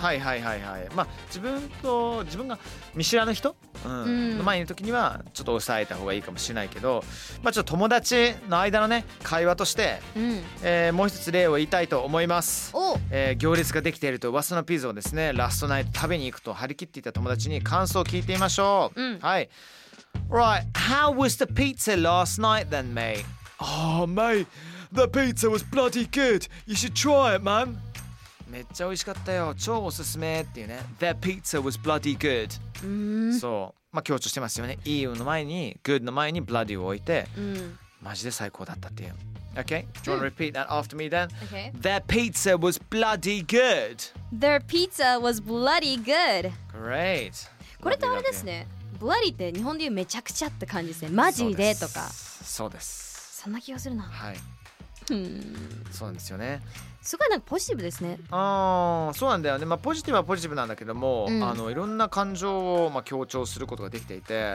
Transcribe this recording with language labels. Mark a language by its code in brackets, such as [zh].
[ja] はいはいはいはい、まあ自分と自分が見知らぬ人、うんうん、の前にいるときにはちょっと抑えた方がいいかもしれないけど、まあちょっと友達の間のね会話として、うん、もう一つ例を言いたいと思います。お、行列ができていると噂のピザをですね、ラストナイト食べに行くと張り切っていた友達に感想を聞いてみましょう、うん、 [en] はい、Right, how was the pizza last night then, mate? Oh, mate, the pizza was bloody good. You should try it, man. [ja] めっちゃ美味しかったよ。超おすすめっていうね。 [en] The pizza was bloody good. [ja] そう。まあ強調してますよね。いいの前に、good の前に bloody を置いて、マジで最高だったっていう。 [en] Okay, do you want to repeat that after me then? Okay. Their pizza was bloody good. Their pizza was bloody good. Great. [ja] これってあれですね。 Bloody って日本で言うめちゃくちゃって感じですね。マジでとか。そうです。そんな気がするな。はい。そうなんですよね。すごいなんかポジティブですね。ああ、そうなんだよね。まあポジティブはポジティブなんだけども、うん、あのいろんな感情をまあ強調することができていて、